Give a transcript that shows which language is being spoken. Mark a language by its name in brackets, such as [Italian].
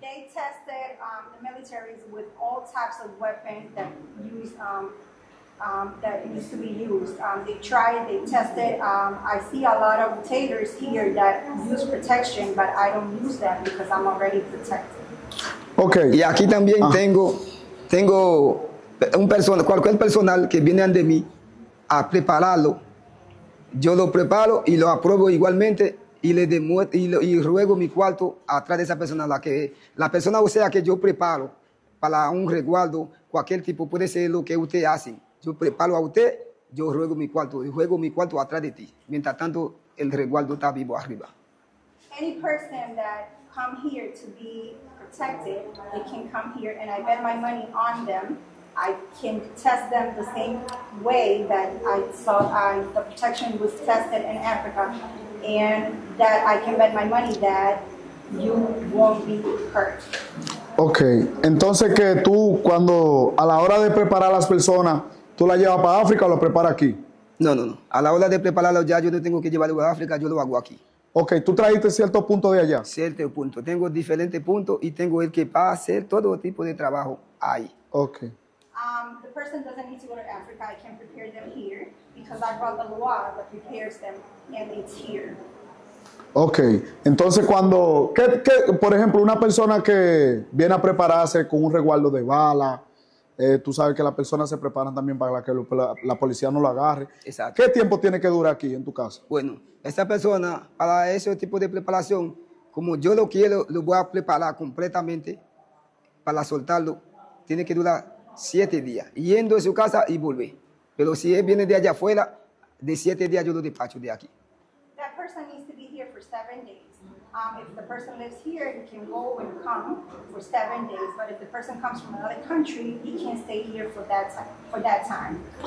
[English] They tested the militaries with all types of weapons that use, that needs to be used. They tried, they tested. I see a lot of taters here that use protection, but I don't use that because I'm already protected. Okay. [Spanish] Y aquí también tengo un personal, cualquier personal que viene ante mí, a prepararlo, yo lo preparo y lo apruebo igualmente y le demuestro y ruego mi cuarto atrás de esa persona, la persona o sea que yo preparo para un resguardo, cualquier tipo, puede ser lo que usted hace, yo preparo a usted, yo ruego mi cuarto y ruego mi cuarto atrás de ti, mientras tanto el resguardo está vivo arriba. [English] Any person that come here to be protected, they can come here and I bet my money on them. I can test them the same way that I saw the protection was tested in Africa, and that I can bet my money that you won't be hurt. [Spanish] Okay, entonces que tú cuando a la hora de preparar a las personas, tú la llevas para África o lo preparas aquí? No, no, no. A la hora de prepararlo ya yo no tengo que llevarlo a África, yo lo hago aquí. Okay, tú trajiste cierto punto de allá. Cierto punto. Tengo diferentes puntos y tengo el que va a hacer todo tipo de trabajo ahí. Okay. [English] The person doesn't need to go to Africa. I can prepare them here because I brought the law that prepares them, and it's here. Okay. [Spanish] Entonces, cuando, ¿qué, por ejemplo, una persona que viene a prepararse con un resguardo de bala, tú sabes que las personas se preparan también para que la policía no lo agarre. Exacto. ¿Qué tiempo tiene que durar aquí en tu casa? Bueno, esa persona, para ese tipo de preparación, como yo lo quiero, lo voy a preparar completamente para soltarlo, tiene que durar 7 días, yendo a su casa y volver. Pero si él viene de allá afuera, de 7 días yo lo despacho de aquí. [English] That person needs to be here for 7 days. If the person lives here, he can go and come for 7 days. But if the person comes from another country, he can stay here for that time.